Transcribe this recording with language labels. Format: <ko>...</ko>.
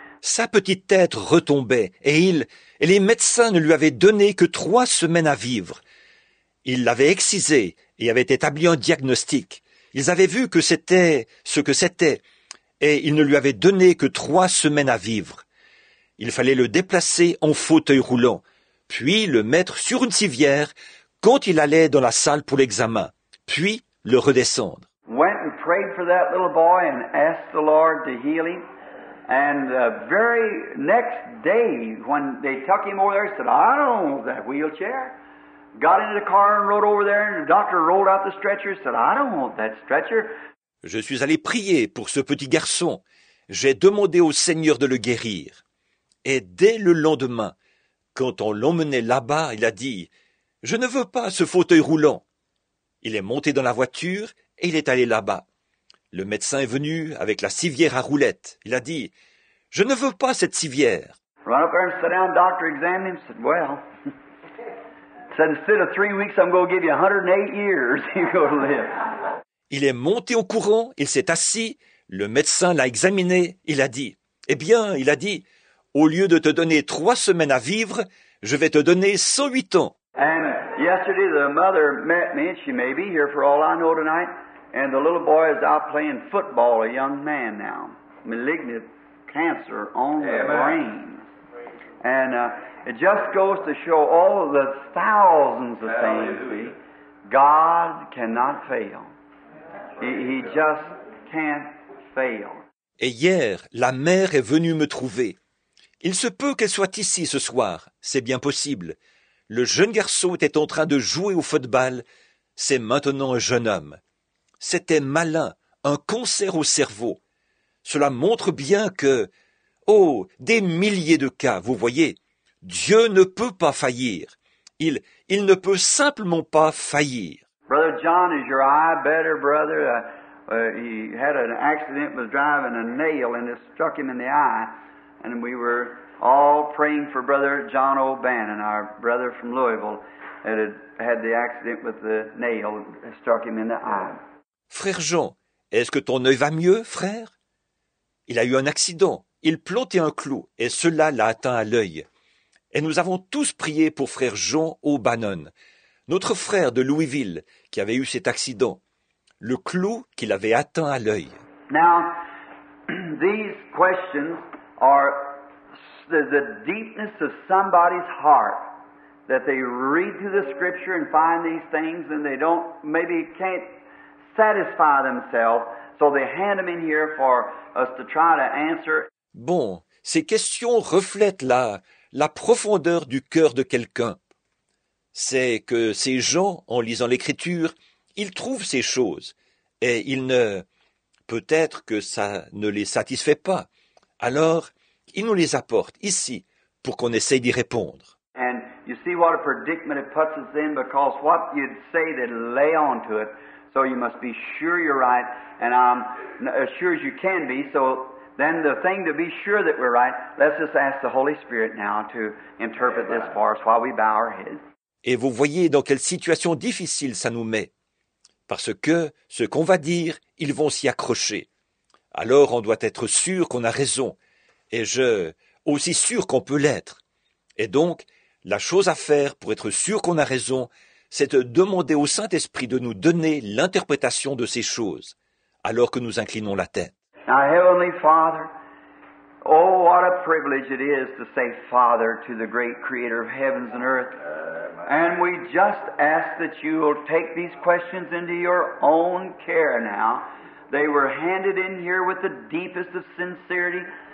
<fr>Sa petite tête retombait et les médecins ne lui avaient donné que 3 semaines à vivre. Ils l'avaient excisé et avaient établi un diagnostic. Ils avaient vu que c'était ce que c'était et ils ne lui avaient donné que 3 semaines à vivre. Il fallait le déplacer en fauteuil roulant, puis le mettre sur une civière quand il allait dans la salle pour l'examen, puis le redescendre.</fr> <en>Went and prayed for that little boy and asked the Lord to heal him. And the very next day, when they took him over there, he said, "I don't know that wheelchair." Got into the car and rode over there, and the doctor rolled out the stretcher, said, "I don't want that stretcher."</en> <fr>Je suis allé prier pour ce petit garçon. J'ai demandé au Seigneur de le guérir. Et dès le lendemain, quand on l'emmenait là-bas, il a dit, « Je ne veux pas ce fauteuil roulant. » Il est monté dans la voiture et il est allé là-bas. Le médecin est venu avec la civière à roulette. Il a dit, « Je ne veux pas cette civière. »</fr> <en>Run up there and sit down, doctor examined him, said, "Well..." Said, "Instead of 3 weeks, I'm going to give you 108 years you're going to live."</en> <fr>Il est monté au courant, il s'est assis, le médecin l'a examiné, il a dit, « Eh bien, il a dit, au lieu de te donner 3 semaines à vivre, je vais te donner 108 ans. »</fr> <en>And yesterday, the mother met me, and she may be here for all I know tonight, and the little boy is out playing football, a young man now, malignant cancer on the brain. And it just goes to show all of the thousands of things God cannot fail. He just can't fail.</en> <fr>Et hier, la mère est venue me trouver. Il se peut qu'elle soit ici ce soir. C'est bien possible. Le jeune garçon était en train de jouer au football. C'est maintenant un jeune homme. C'était malin, un cancer au cerveau. Cela montre bien que... Oh, des milliers de cas, vous voyez. Dieu ne peut pas faillir. Il ne peut simplement pas faillir.</fr> <en>Brother John, is your eye better, brother? He had an accident, was driving a nail, and it struck him in the eye. And we were all praying for Brother John O'Bannon, our brother from Louisville, that had the accident with the nail that struck him in the eye.</en> <fr>Frère Jean, est-ce que ton œil va mieux, frère? Il a eu un accident. Il plantait un clou et cela l'a atteint à l'œil. Et nous avons tous prié pour frère Jean O'Bannon, notre frère de Louisville qui avait eu cet accident, le clou qu'il avait atteint à l'œil.</fr> <en>Now, these questions are the deepness of somebody's heart that they read through the scripture and find these things and they don't, maybe can't satisfy themselves, so they hand them in here for us to try to answer.</en> <fr>Bon, ces questions reflètent la profondeur du cœur de quelqu'un. C'est que ces gens, en lisant l'Écriture, ils trouvent ces choses, et peut-être que ça ne les satisfait pas. Alors, ils nous les apportent ici, pour qu'on essaye d'y répondre.</fr> <en>And you see what a predicament it puts us in, because what you'd say they'd lay on to it. So you must be sure you're right, and I'm as sure as you can be. So then the thing to be sure that we're right, let's just ask the Holy Spirit now to interpret this for us while we bow our heads.</en> <fr>Et vous voyez dans quelle situation difficile ça nous met. Parce que ce qu'on va dire, ils vont s'y accrocher. Alors on doit être sûr qu'on a raison. Et je aussi sûr qu'on peut l'être. Et donc, la chose à faire pour être sûr qu'on a raison, c'est de demander au Saint-Esprit de nous donner l'interprétation de ces choses, alors que nous inclinons la tête.</fr> <en>Now, Heavenly Father, oh, what a privilege it is to say Father to the great Creator of heavens and earth. And we just ask that you will take these questions into your own care now. They were handed in here with the deepest of sincerity.</en>